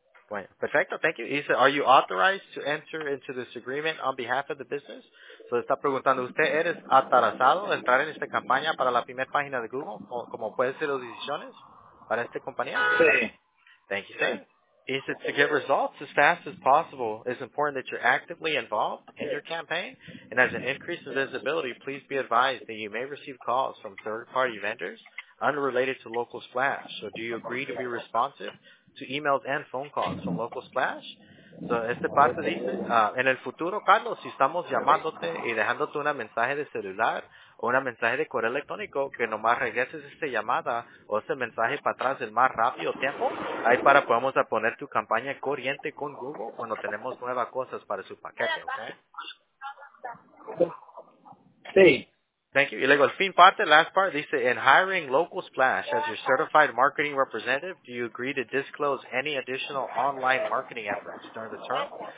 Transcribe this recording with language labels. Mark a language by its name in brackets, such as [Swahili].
[Spanish] Bueno, perfecto, [English] thank you. He said, are you authorized to enter into this agreement on behalf of the business? [Spanish] So está preguntando, ¿usted eres autorizado a entrar en esta campaña para la primera página de Google? ¿Cómo pueden ser las decisiones para esta compañía? Sí. [English] Thank you, sir. He said, to get results as fast as possible, it's important that you're actively involved in your campaign. And as an increase in visibility, please be advised that you may receive calls from third-party vendors unrelated to Local Splash. So do you agree to be responsive to emails and phone calls from Local Splash? [Spanish] So esta parte dice, en el futuro, Carlos, si estamos llamándote y dejándote un mensaje de celular o un mensaje de correo electrónico, que nomás regreses esta llamada o ese mensaje para atrás el más rápido tiempo, ahí para podemos poner tu campaña corriente con Google cuando tenemos nuevas cosas para su paquete, ¿ok? Sí. [English] Thank you. [Spanish] Y luego el fin parte, [English] last part, [Spanish] dice, [English] in hiring Local Splash as your certified marketing representative, do you agree to disclose any additional online marketing efforts during the term?